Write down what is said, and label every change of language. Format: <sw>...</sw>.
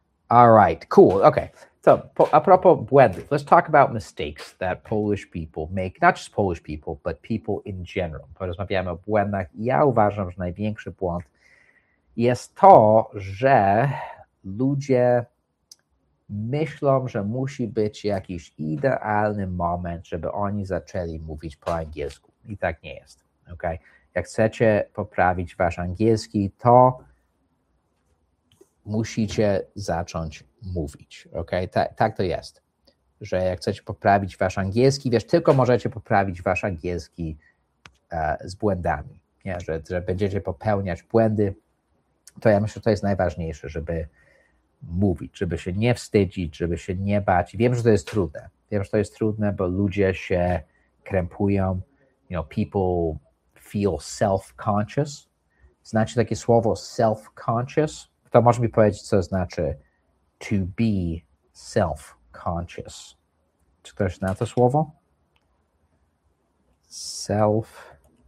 <en>all right, cool. Okay. So,</en> <pl>a propos błędów,</pl> <en>let's talk about mistakes that Polish people make, not just Polish people, but people in general.</en> <pl>Porozmawiamy o błędach. Ja uważam, że największy błąd jest to, że ludzie myślą, że musi być jakiś idealny moment, żeby oni zaczęli mówić po angielsku. I tak nie jest. Okay? Jak chcecie poprawić wasz angielski, to musicie zacząć mówić. Okay? Tak to jest. Że jak chcecie poprawić wasz angielski, wiesz, tylko możecie poprawić wasz angielski z błędami. Nie? Że będziecie popełniać błędy, to ja myślę, że to jest najważniejsze, żeby mówić, żeby się nie wstydzić, żeby się nie bać. Wiem, że to jest trudne. Wiem, że to jest trudne, bo ludzie się krępują.</pl> <en>People feel self-conscious.</en> <pl>Znacie takie słowo self-conscious? Kto może mi powiedzieć, co znaczy</pl> <en>to be self-conscious?</en> <pl>Czy ktoś zna to słowo? Self-conscious.</pl>